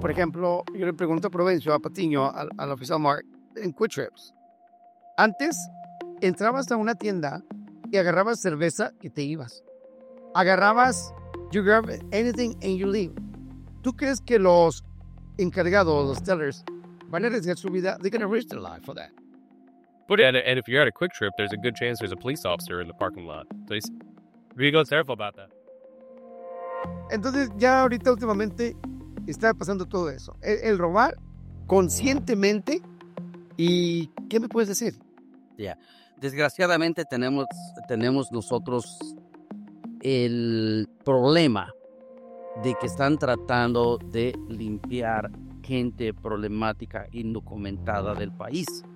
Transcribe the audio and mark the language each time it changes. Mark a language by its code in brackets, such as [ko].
[es] Por ejemplo, yo le pregunto a Provencio, a Patiño, al oficial Mark, en Quick Trips. Antes, entrabas a una tienda y agarrabas cerveza y te ibas. Agarrabas, [en] you grab anything and you leave. [es] ¿Tú crees que los encargados, los tellers, van a arriesgar su vida? [en] They're going to risk their life for that. But yeah, and if you're at a Quick Trip, there's a good chance there's a police officer in the parking lot. Please. Be careful about that. [es] Entonces, ya ahorita últimamente está pasando todo eso. El robar conscientemente. ¿Y qué me puedes decir? Ya. Yeah. Desgraciadamente tenemos nosotros el problema de que están tratando de limpiar gente problemática indocumentada del país.